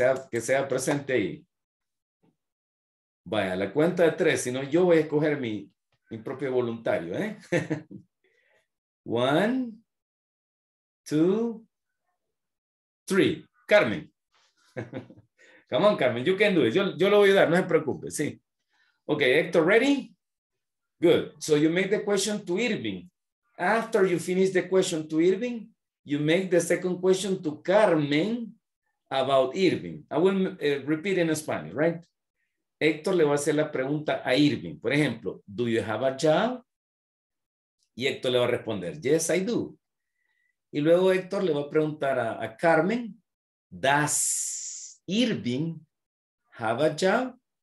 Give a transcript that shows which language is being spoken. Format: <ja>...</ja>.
<es>Que sea presente ahí. Vaya, la cuenta de tres, si no yo voy a escoger mi propio voluntario, ¿eh?</es> <en>One, two, three. Carmen. Come on, Carmen, you can do it.</en> <es>Yo lo voy a dar, no se preocupe, sí.</es> <en>Ok, Héctor, ¿ready? Good. So you make the question to Irving. After you finish the question to Irving, you make the second question to Carmen about Irving. I will repeat in Spanish, right?</en> <es>Héctor le va a hacer la pregunta a Irving. Por ejemplo,</es> <en>do you have a job?</en> <es>Y Héctor le va a responder,</es> <en>yes, I do.</en> <es>Y luego Héctor le va a preguntar a Carmen,</es> <en>does Irving have a job?</en>